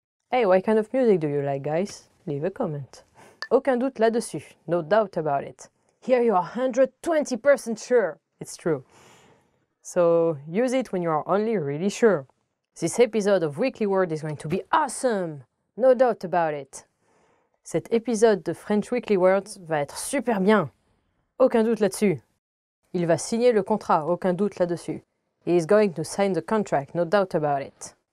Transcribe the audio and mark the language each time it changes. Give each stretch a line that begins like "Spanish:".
English: Hey, what kind of music do you like, guys? Leave a comment.
French: Aucun doute là-dessus.
English: No doubt about it. Here you are 120% sure. It's true. So use it when you are only really sure. This episode of Weekly Word is going to be awesome. No doubt about it.
French: Cet épisode de French Weekly Words va être super bien. Aucun doute là-dessus. Il va signer le contrat, aucun doute là-dessus.
English: He is going to sign the contract, no doubt about it.